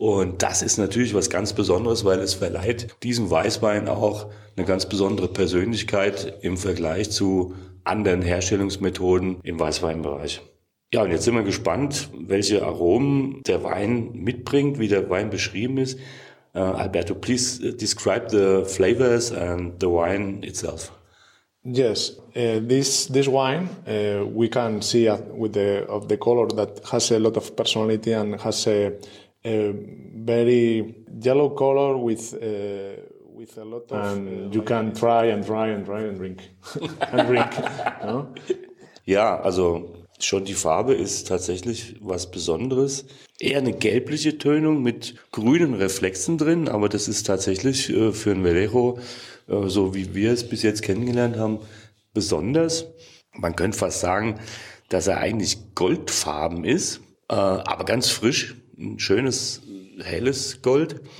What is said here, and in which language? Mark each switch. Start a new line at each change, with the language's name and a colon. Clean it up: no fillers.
German: Und das ist natürlich was ganz Besonderes, weil es verleiht diesem Weißwein auch eine ganz besondere Persönlichkeit im Vergleich zu anderen Herstellungsmethoden im Weißweinbereich. Ja, und jetzt sind wir gespannt, welche Aromen der Wein mitbringt, wie der Wein beschrieben ist.
English: Alberto, please describe the flavors and the wine itself. Yes, this wine we can see with the color that has a lot of personality and has a very yellow color with a lot of and you can try and try and try and drink and drink. No?
German: Ja, also schon die Farbe ist tatsächlich was Besonderes. Eher eine gelbliche Tönung mit grünen Reflexen drin, aber das ist tatsächlich für ein Verdejo, so wie wir es bis jetzt kennengelernt haben, besonders. Man könnte fast sagen, dass er eigentlich goldfarben ist, aber ganz frisch, ein schönes, helles Gold.